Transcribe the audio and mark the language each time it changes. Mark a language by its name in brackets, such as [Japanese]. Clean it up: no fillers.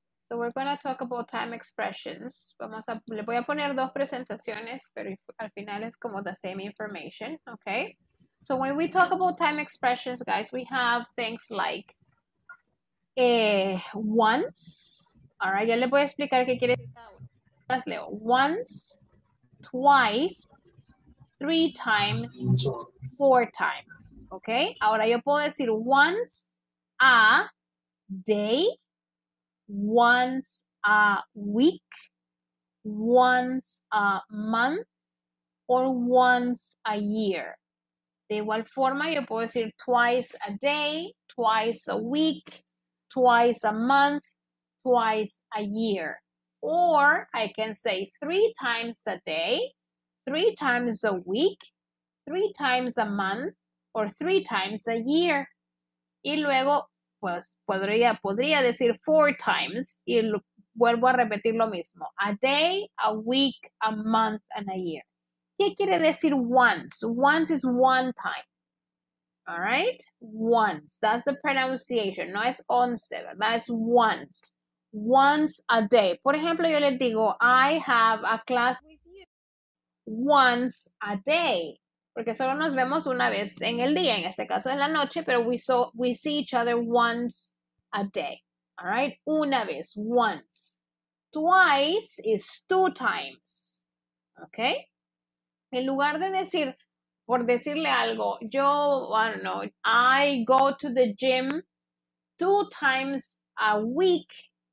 [English] So we're going to talk about time expressions. [Spanish] Vamos a, le voy a poner dos presentaciones, pero al final es como [English] the same information, okay? So when we talk about time expressions, guys, we have things like once. [Spanish] All right, ya le voy a explicar qué quiere decir. [English] Leo, once, twice, three times, four times, okay? [Spanish] Ahora yo puedo decir [English] once a day, once a week, once a month, or once a year. [Spanish] De igual forma, yo puedo decir [English] twice a day, twice a week, twice a month, twice a year. Or I can say three times a day, three times a week, three times a month, or three times a year. [Spanish] Y luego, pues, podría decir four times, y vuelvo a repetir lo mismo. [English] A day, a week, a month, and a year. [Spanish] ¿Qué quiere decir once? [English] Once is one time. All right? Once. That's the pronunciation. [Spanish] No es once, ¿verdad? [English] It's once. Once a day. [Spanish] Por ejemplo, yo les digo, [English] I have a class with you once a day. [Spanish] Porque solo nos vemos una vez en el día, en este caso en la noche, pero [English] we see each other once a day. All right? [Spanish] Una vez, [English] once. Twice is two times. Okay? [Spanish] En lugar de decir, por decirle algo, yo, [English] I don't know, I go to the gym two times a week.